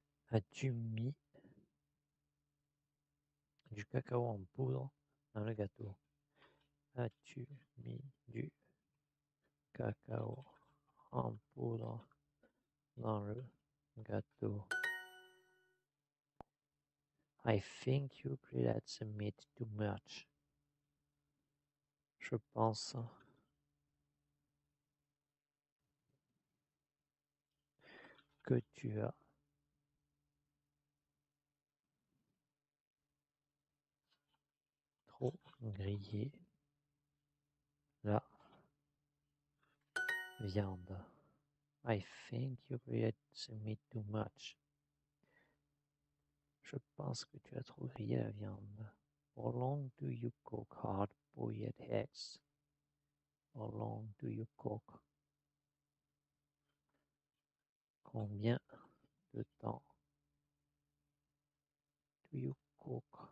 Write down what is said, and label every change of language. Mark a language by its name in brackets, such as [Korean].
[French] As-tu mis du cacao en poudre dans le gâteau? As-tu mis du cacao en poudre dans le gâteau? [English] I think you grilled the meat too much. [French] Je pense que tu as trop grillé la viande. [English] I think you grilled the meat too much. [French] Je pense que tu as trop grillé la viande. [English] How long do you cook hard? Boiled eggs. How long do you cook? [French] Combien de temps [English] do you cook?